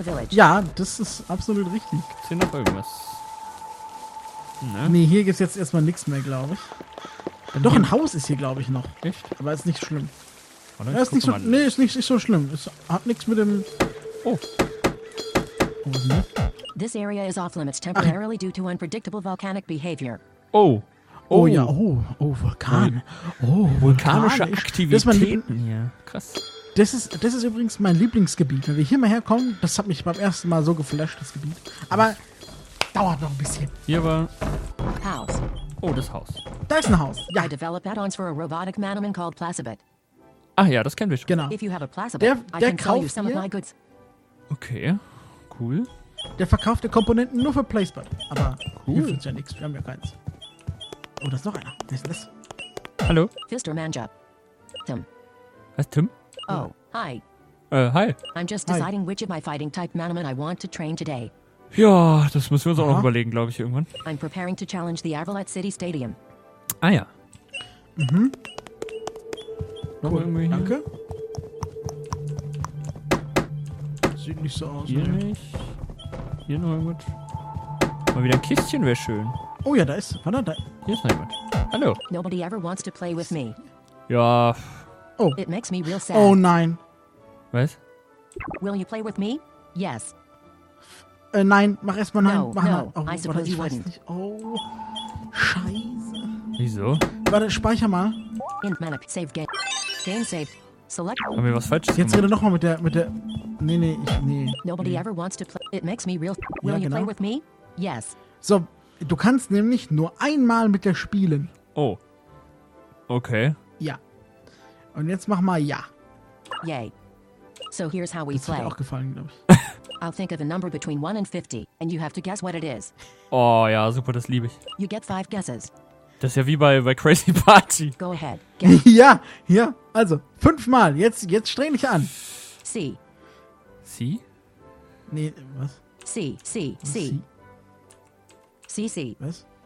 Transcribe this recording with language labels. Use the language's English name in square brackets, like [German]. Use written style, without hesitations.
[German] Ja, das ist absolut richtig. Gibt's hier noch irgendwas? Ne? Nee, hier gibt's jetzt erstmal nichts mehr, glaube ich. Dann doch, ein Haus ist hier, glaube ich, noch. Echt? Aber ist nicht schlimm. Oder ja, ist nicht so, nee, ist nicht so schlimm. Es hat nichts mit dem... Oh. Oh, was ist denn? [English] This area is off limits temporarily due to unpredictable volcanic behavior. [German] Oh. Oh, ja, oh Vulkan. Oh, vulkanische Aktivitäten hier. Ja. Krass. Das ist übrigens mein Lieblingsgebiet. Wenn wir hier mal herkommen, das hat mich beim ersten Mal so geflasht, das Gebiet. Aber dauert noch ein bisschen. Hier war... [English] House. [German] Oh, das Haus. Da ist ein Haus. Ja. [English] I developed add-ons for a robotic manaman called Placebit. [German] Ah ja, das kennen wir schon. Genau. [English] If you have a Placebit, der I can [German] kauft [English] sell you some hier. Of my goods. [German] Okay, cool. Der verkauft die Komponenten nur für Placebit. Aber cool. Hilft uns ja nichts, wir haben ja keins. Oh, da ist noch einer. Das. Hallo? Fister Manja. Tim. Was, Tim? [English] Oh, hi. Hi. I'm just deciding which of my fighting type manaman I want to train today. [German] Ja, das müssen wir uns auch noch überlegen, glaube ich, irgendwann. [English] I'm preparing to challenge the Avalette City Stadium. [German] Ah ja. Mhm. Noch cool. Irgendwie hier? Danke. Sieht nicht so aus. Hier nicht. Hier noch irgendwas. Mal wieder ein Kistchen wäre schön. Oh ja, da ist. Warte, da. Hier ist noch jemand. Hallo. [English] Nobody ever wants to play with me. [German] Ja. Oh. [English] It makes me real sad. [German] Oh nein. Was? [English] Will you play with me? Yes. [German] Nein, mach erstmal nein. [English] No, [German] mach [English] no. [German] Mal. Oh, [English] I suppose you wouldn't. [German] Oh. Scheiße. Wieso? Warte, speicher mal. [English] Int Manic, save game. Game saved. Select. [German] Haben wir was falsches jetzt gemacht? Rede nochmal mit der. Nee, ich. Nee. [English] Nobody [German] nee. [English] Ever wants to play. It makes me real. Will [German] ja, [English] you [German] genau. [English] Play with me? Yes. [German] So. Du kannst nämlich nur einmal mit der spielen. Oh. Okay. Ja. Und jetzt mach mal ja. [English] Yay. So here's how we [German] das [English] play. [German] Hat auch gefallen, glaube ich. [English] I'll think of a number between 1 and 50 and you have to guess what it is. [German] Oh ja, super, das liebe ich. [English] You get 5 guesses. [German] Das ist ja wie bei Crazy Party. [English] Go ahead. Guess. [German] Ja, ja. Also, 5 mal. Jetzt streng dich an. C. C? Nee, was? C, C, C. CC. Was?